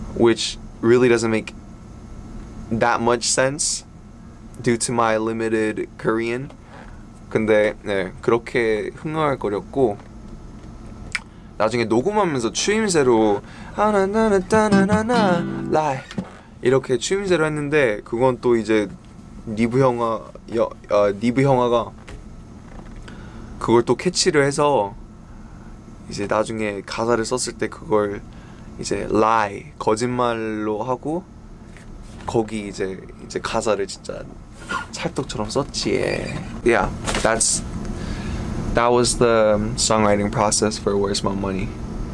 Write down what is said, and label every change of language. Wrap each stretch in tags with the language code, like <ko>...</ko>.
<en>Which really doesn't make that much sense due to my limited Korean.</en> <ko>근데 네, 그렇게 흥얼 거렸고 나중에 녹음하면서 추임새로 하나나나나나나 라이 이렇게 추임새로 했는데 그건 또 이제 니브 형아 니브 형아가 그걸 또 캐치를 해서 이제 나중에 가사를 썼을 때 그걸 이제 라이 거짓말로 하고 거기 이제 가사를 진짜 찰떡처럼 썼지.</ko> <en>Yeah, that was the songwriting process for Where's My Money.</en>